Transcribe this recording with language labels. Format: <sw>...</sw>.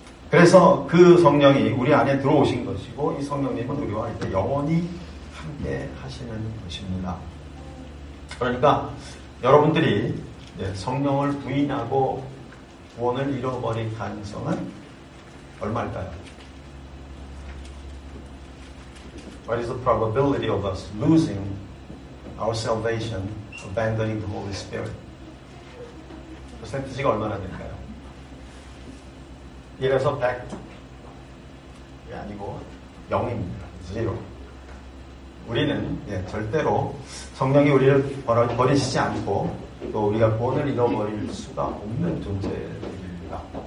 <ko>그래서 그 성령이 우리 안에 들어오신 것이고 이 성령님은 우리와 이제 영원히 함께 하시는 것입니다. 그러니까 여러분들이 성령을 부인하고 구원을 잃어버릴 가능성은 얼마일까요?</ko> <en>What is the probability of us losing our salvation, abandoning the Holy Spirit?</en> <ko>퍼센티지가 얼마나 될까요? 1에서 100이 아니고 0입니다. 0. 우리는 절대로 성령이 우리를 버리시지 않고 또 우리가 구원을 잃어버릴 수가 없는 존재입니다.</ko>